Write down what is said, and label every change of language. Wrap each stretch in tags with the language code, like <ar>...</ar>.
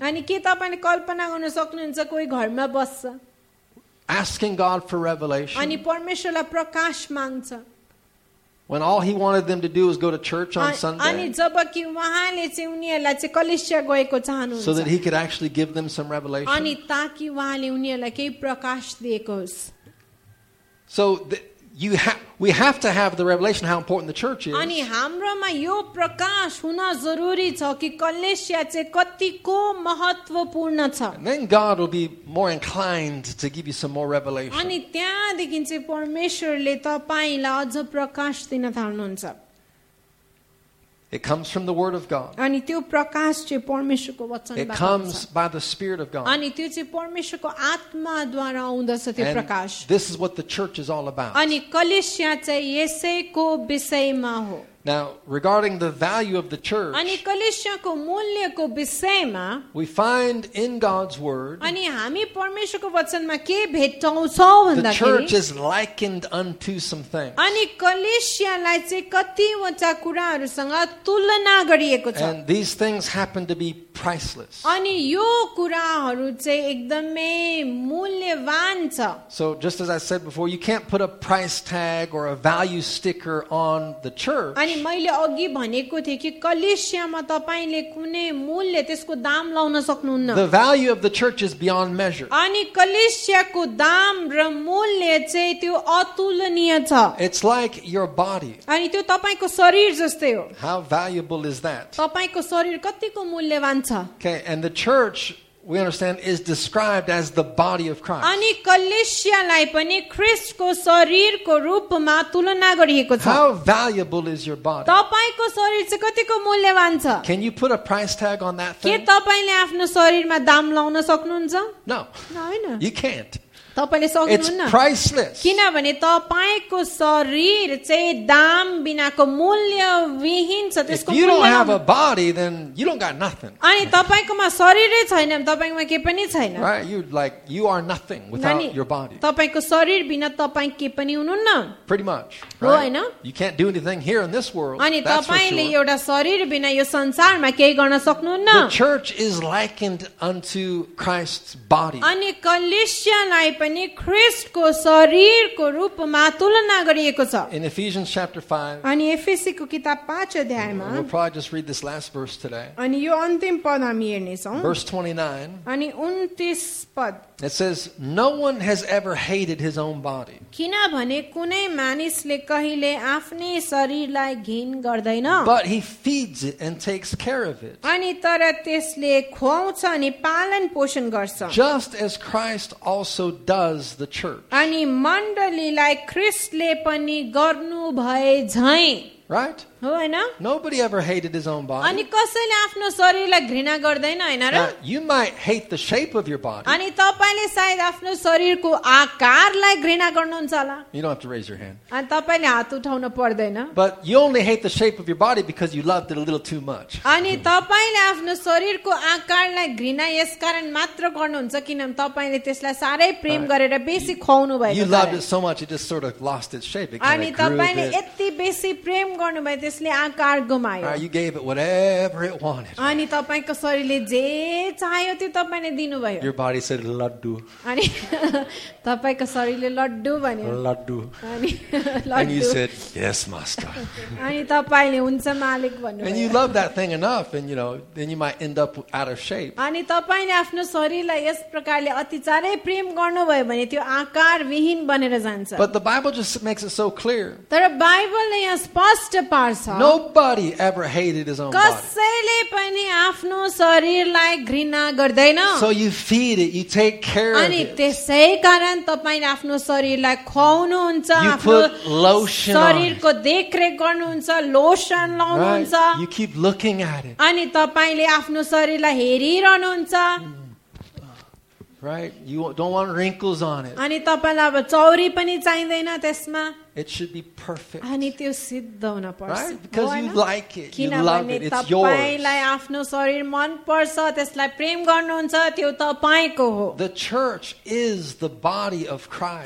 <ne>अनि के तपाईले कल्पना गर्न सक्नुहुन्छ कोही घरमा बस्छ?</ne> <en>Asking God for revelation.</en> <ne>अनि परमेश्वरलाई प्रकाश माग्छ.</ne> <en>When all he wanted them to do was go to church on Sunday.</en> <ne>अनि जब कि वहाँले चाहिँ उनीहरूलाई चाहिँ कलिसिया गएको चाहनुहुन्छ.</ne> <en>So that he could actually give them some revelation.</en> <ne>अनि ताकि वहाँले उनीहरूलाई केही प्रकाश दिएको होस्.</ne> <en>So we have to have the revelation how important the church is.</en> <ne>अनि हाम्रोमा यो प्रकाश हुन जरुरी छ कि कलिसिया चाहिँ कतिको महत्त्वपूर्ण छ.</ne> <en>Then God will be more inclined to give you some more revelation.</en> <ne>अनि त्यहाँदेखि चाहिँ परमेश्वरले तपाईलाई अझ प्रकाश दिन थाल्नुहुन्छ.</ne> <en>It comes from the word of God.</en> <ne>अनि त्यो प्रकाश चाहिँ परमेश्वरको वचनबाट आउँछ.</ne> <en>It comes by the spirit of God.</en> <ne>अनि त्यो चाहिँ परमेश्वरको आत्माद्वारा आउँदछ त्यो प्रकाश.</ne> <en>This is what the church is all about.</en> <ne>अनि कलिसिया चाहिँ यसैको विषयमा हो.</ne> <en>Now regarding the value of the church,</en> <ne>अनि कलिसियाको मूल्यको विषयमा,</ne> <en>we find in God's word,</en> <ne>अनि हामी परमेश्वरको वचनमा के भेट्छौ भन्दा खेरि,</ne> <en>the church is likened unto some things.</en> <ne>अनि कलिसियालाई चाहिँ कतिवटा कुराहरूसँग तुलना गरिएको छ.</ne> <en>And these things happen to be priceless.</en> <ne>अनि यो कुराहरू चाहिँ एकदमै मूल्यवान छ.</ne> <en>So just as I said before, you can't put a price tag or a value sticker on the church.</en> <ne>अनि मैले अघि भनेको थिएँ कि कलिसियामा तपाईँले कुनै मूल्य त्यसको दाम लाउन सक्नुहुन्न.</ne> <en>The value of the church is beyond measure.</en> <ne>अनि कलिसियाको दाम र मूल्य चाहिँ त्यो अतुलनीय छ.</ne> <en>It's like your body.</en> <ne>अनि त्यो तपाईँको शरीर जस्तै हो.</ne> <en>How valuable is that?</en> <ne>तपाईँको शरीर कतिको मूल्यवान छ?</ne> <en>Okay, and the church we understand, is described as the body of Christ.</en> <ne>अनि कलिसियालाई पनि ख्रीष्टको शरीरको रूपमा तुलना गरिएको छ.</ne> <en>How valuable is your body?</en> <ne>तपाईको शरीर चाहिँ कतिको मूल्यवान छ?</ne> <en>Can you put a price tag on that thing?</en> <ne>के तपाईले आफ्नो शरीरमा दाम लाउन सक्नुहुन्छ?</ne> <en>No. No. You can't.</en> <ne>तपाईले सक्नुहुन्न.</ne> <en>It's priceless.</en> <ne>किनभने तपाईको शरीर चाहिँ दाम बिनाको मूल्यविहीन छ. त्यसको मूल्य.</ne> <en>You don't have a body, then you don't got nothing.</en> <ne>अनि तपाईकोमा शरीरै छैन भने तपाईकोमा के पनि छैन.</ne> <en>Right? You like you are nothing without your body.</en> <ne>तपाईको शरीर बिना तपाई के पनि हुनुहुन्न.</ne> <en>Pretty much.</en> <ne>हो हैन?</ne> <en>You can't do anything here in this world.</en> <ne>अनि तपाईले एउटा शरीर बिना यो संसारमा केही गर्न सक्नुहुन्न.</ne> <en>The church is likened unto Christ's body.</en> <ne>अनि कलिसियालाई पनि ख्रीष्टको शरीरको रूपमा तुलना गरिएको छ.</ne> <en>In Ephesians chapter 5.</en> <ne>अनि एफिसीको किताब 5 अध्यायमा.</ne> <en>We'll probably just read this last verse today.</en> <ne>अनि यो अन्तिम पद हामी हेर्नेछौं.</ne> <en>Verse 29.</en> <ne>अनि 29 पद.</ne> <en>It says no one has ever hated his own body.</en> <ne>किनभने कुनै मानिसले कहिले आफ्नै शरीरलाई घिन गर्दैन.</ne> <en>But he feeds it and takes care of it.</en> <ne>अनि तर त्यसले खुवाउँछ अनि पालन पोषण गर्छ.</ne> <en>Just as Christ also does the church.</en> <ne>अनि मण्डलीलाई ख्रीष्टले पनि गर्नु भए झैं.</ne> <en>Right?</en> <ne>हो हैन?</ne> <en>Nobody ever hated his own body.</en> <ne>अनि कसैले आफ्नो शरीरलाई घृणा गर्दैन हैन र?</ne> <en>You might hate the shape of your body.</en> <ne>अनि तपाईले सायद आफ्नो शरीरको आकारलाई घृणा गर्नुहुन्छ होला.</ne> <en>You don't have to raise your hand.</en> <ne>अनि तपाईले हात उठाउन पर्दैन.</ne> <en>But you only hate the shape of your body because you loved it a little too much.</en> <ne>अनि तपाईले आफ्नो शरीरको आकारलाई घृणा यसकारण मात्र गर्नुहुन्छ किनभने तपाईले त्यसलाई सारै प्रेम गरेर बेसी खुवाउनु भएको छ.</ne> <en>You loved it so much it just sort of lost its shape.</en> <ne>अनि तपाईले यति बेसी प्रेम गर्नु भए त्यसले आकार गुमायो.</ne> <en>Right, you gave it whatever it wanted.</en> <ne>अनि तपाईको शरीरले जे चाह्यो त्यो तपाईले दिनुभयो.</ne> <en>Your body said laddu.</en> <ne>अनि तपाईको शरीरले लड्डु भन्यो. लड्डु. अनि</ne> <en>And you said yes master.</en> <ne>अनि तपाईले हुन्छ मालिक भन्नु.</ne> <en>And you love that thing enough and you know then you might end up out of shape.</en> <ne>अनि तपाईले आफ्नो शरीरलाई यस प्रकारले अतिचारै प्रेम गर्नुभयो भने त्यो आकार विहीन बनेर जान्छ.</ne> <en>But the Bible just makes it so clear.</en> <ne>तर बाइबलले यस स्पष्ट पार्छ.</ne> <en>Nobody ever hated his own body.</en> <ne>कसैले पनि आफ्नो शरीरलाई घृणा गर्दैन.</ne> <en>So you feed it, you take care of it.</en> <ne>अनि त्यसै कारण तपाईले आफ्नो शरीरलाई खुवाउनुहुन्छ.</ne> <en>You put lotion on it.</en> <ne>शरीरको देखरेख गर्नुहुन्छ, लोशन लाउनुहुन्छ.</ne> <en>Right. You keep looking at it.</en> <ne>अनि तपाईले आफ्नो शरीरलाई हेरिरहनुहुन्छ.</ne> <en>Right? You don't want wrinkles on it.</en> <ne>अनि तपाईलाई अब चौरी पनि चाहिदैन त्यसमा.</ne> <en>It should be perfect.</en> <ne>अनि त्यो सिद्ध हुन पर्छ.</ne> <en>Right? Because you like it. You love it. It's yours.</en> <ne>तपाईलाई आफ्नो शरीर मन पर्छ, त्यसलाई प्रेम गर्नुहुन्छ, त्यो तपाईको हो.</ne> <en>The church is the body of Christ.</en>